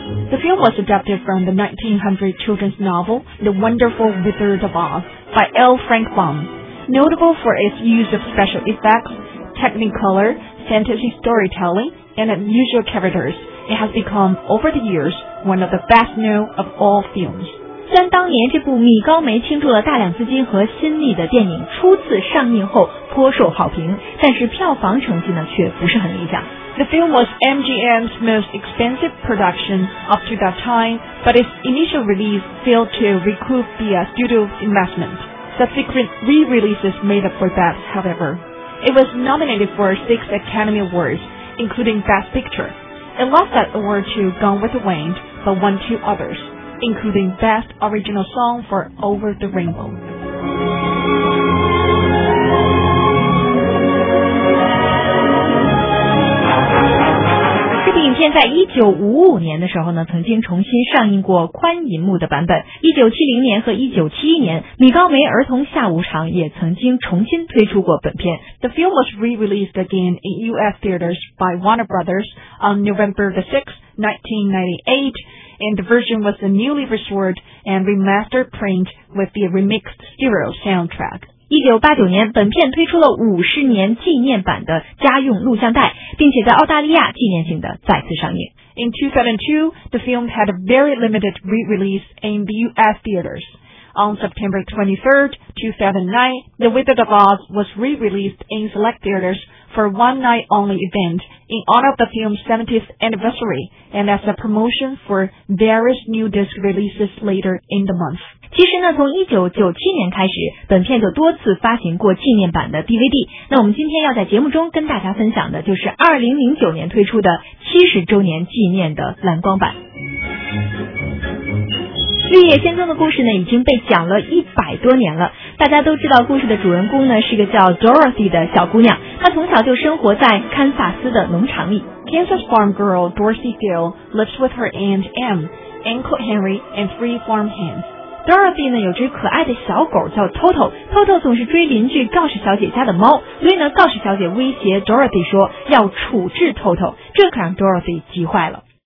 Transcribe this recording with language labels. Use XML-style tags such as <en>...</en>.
<en>The film was adapted from the 1900 children's novel The Wonderful Wizard of Oz by L. Frank Baum. Notable for its use of special effects, technicolor, fantasy storytelling, and unusual characters, it has become, over the years, one of the best known of all films.</en> <zh>在当年，这部米高梅倾注了大量资金和心力的电影初次上映后颇受好评，但是票房成绩呢却不是很理想。</zh> <en>The film was MGM's most expensive production up to that time, but its initial release failed to recoup the studio's investment. Subsequent re-releases made up for that, however. It was nominated for 6 Academy Awards, including Best Picture. It lost that award to Gone with the Wind, but won 2 others, including Best Original Song for Over the Rainbow.</en> <zh>影片在1955年的时候呢，曾经重新上映过宽银幕的版本。 1970年和1971年，米高梅儿童下午场也曾经重新推出过本片。</zh> <en>The film was re-released again in U.S. theaters by Warner Brothers on November 6, 1998, and the version was a newly restored and remastered print with the remixed stereo soundtrack.</en> <zh>1989年，本片推出了50年纪念版的家用录像带，并且在澳大利亚纪念性的再次上映。</zh> <en>In 2002, the film had a very limited re-release in the U.S. theaters. On September 23, 2009, The Wizard of Oz was re-released in select theaters for one night only event in honor of the film's 70th anniversary and as a promotion for various new disc releases later in the month.</en> <zh>其实呢，从1997年开始，本片就多次发行过纪念版的 DVD。那我们今天要在节目中跟大家分享的，就是2009年推出的70周年纪念的蓝光版。绿野仙踪的故事呢，已经被讲了100多年了。大家都知道，故事的主人公呢，是个叫 Dorothy 的小姑娘，她从小就生活在堪萨斯的农场里。</zh> <en>Kansas farm girl Dorothy Gale lives with her aunt Em, Uncle Henry, and 3 farm hands.</en> <zh>Dorothy 呢有只可爱的小狗叫 Toto， Toto 总是追邻居告示小姐家的猫，所以呢告示小姐威胁 Dorothy 说要处置 Toto， 这可让 Dorothy 急坏了。</zh>